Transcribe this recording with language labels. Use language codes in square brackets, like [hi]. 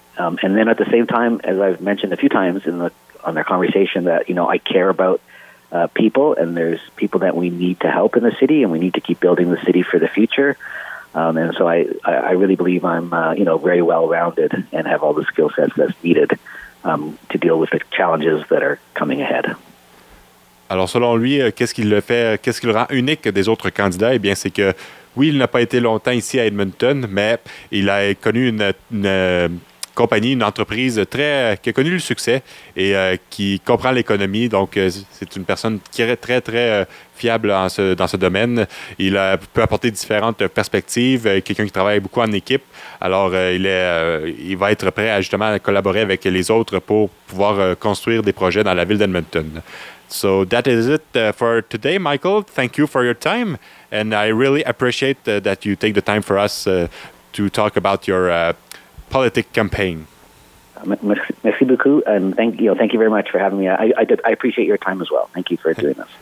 [en] And then at the same time, as I've mentioned a few times on our conversation, that, you know, I care about people, and there's people that we need to help in the city, and we need to keep building the city for the future. And so I really believe I'm, very well-rounded and have all the skill sets that's needed to deal with the challenges that are coming ahead. [fr] Alors, selon lui, qu'est-ce qui le rend unique des autres candidats? Eh bien, c'est que, oui, il n'a pas été longtemps ici à Edmonton, mais il a connu une entreprise qui a connu le succès et qui comprend l'économie. Donc, c'est une personne qui est très, très fiable dans ce domaine. Il peut apporter différentes perspectives, quelqu'un qui travaille beaucoup en équipe. Alors, il va être prêt à justement collaborer avec les autres pour pouvoir construire des projets dans la ville d'Edmonton. [en] So that is it for today, Michael. Thank you for your time. And I really appreciate that you take the time for us to talk about your politic campaign. [fr] Merci beaucoup. [en] And thank you very much for having me. I appreciate your time as well. Thank you for doing this.